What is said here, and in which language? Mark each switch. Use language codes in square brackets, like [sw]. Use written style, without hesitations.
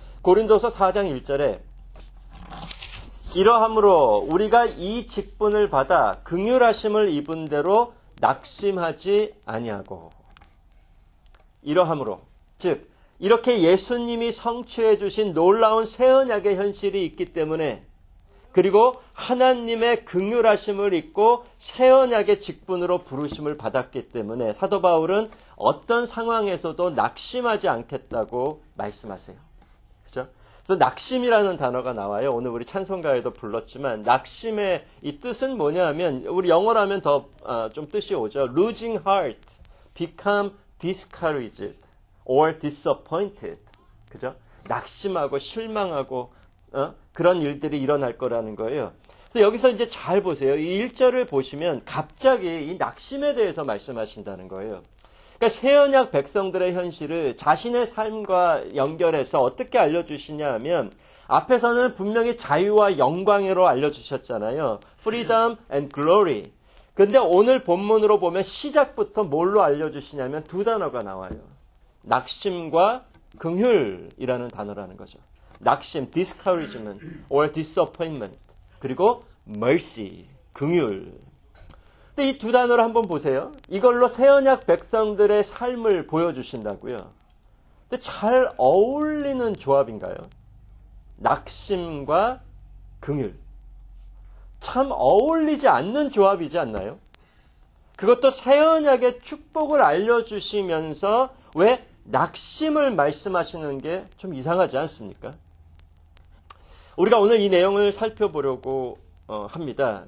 [ko] 고린도서 4장 1절에 이러함으로 우리가 이 직분을 받아 긍휼하심을 입은 대로 낙심하지 아니하고, 이러함으로, 즉 이렇게 예수님이 성취해 주신 놀라운 새언약의 현실이 있기 때문에, 그리고 하나님의 긍휼하심을 입고 새언약의 직분으로 부르심을 받았기 때문에 사도 바울은 어떤 상황에서도 낙심하지 않겠다고 말씀하세요. 그죠? 그래서 낙심이라는 단어가 나와요. 오늘 우리 찬송가에도 불렀지만 낙심의 이 뜻은 뭐냐면, 우리 영어로 하면 더 좀 뜻이 오죠. [en] Losing heart, become discouraged or disappointed. [ko] 그죠? 낙심하고 실망하고 그런 일들이 일어날 거라는 거예요. 그래서 여기서 이제 잘 보세요. 이 1절을 보시면 갑자기 이 낙심에 대해서 말씀하신다는 거예요. 그러니까 새언약 백성들의 현실을 자신의 삶과 연결해서 어떻게 알려주시냐 하면, 앞에서는 분명히 자유와 영광으로 알려주셨잖아요. [en] Freedom and glory. [ko] 근데 오늘 본문으로 보면 시작부터 뭘로 알려주시냐면 두 단어가 나와요. 낙심과 긍휼이라는 단어라는 거죠. 낙심, [en] discouragement, or disappointment, [ko] 그리고 mercy, 긍휼. 근데 이 두 단어를 한번 보세요. 이걸로 새언약 백성들의 삶을 보여주신다고요. 근데 잘 어울리는 조합인가요? 낙심과 긍휼. 참 어울리지 않는 조합이지 않나요? 그것도 새언약의 축복을 알려주시면서 왜 낙심을 말씀하시는 게 좀 이상하지 않습니까? 우리가 오늘 이 내용을 살펴보려고 합니다.